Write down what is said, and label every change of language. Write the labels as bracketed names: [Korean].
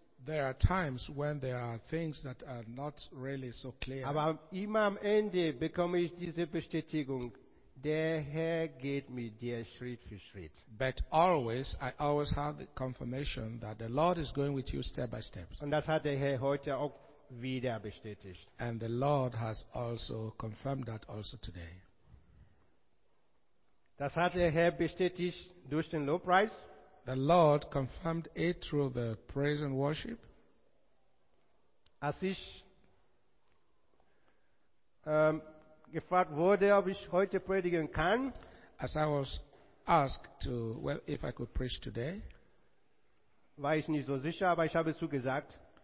[English] There are times when there are things that are not really so clear. [German] Aber immer am Ende bekomme ich diese Bestätigung. Der Herr geht mit dir Schritt für Schritt. [English] But always, I always have the confirmation that the Lord is going with you step by step. [German] Und das hat der Herr heute auch wieder bestätigt. [English] And the Lord has also confirmed that also today. [German] Das hat der Herr bestätigt durch den Lobpreis. [English] The Lord confirmed it through the praise and worship. [German] Als ich gefragt wurde, ob ich heute predigen kann, [English] as I was asked to, well, if I could preach today, [German] war ich nicht so sicher, aber ich habe zugesagt.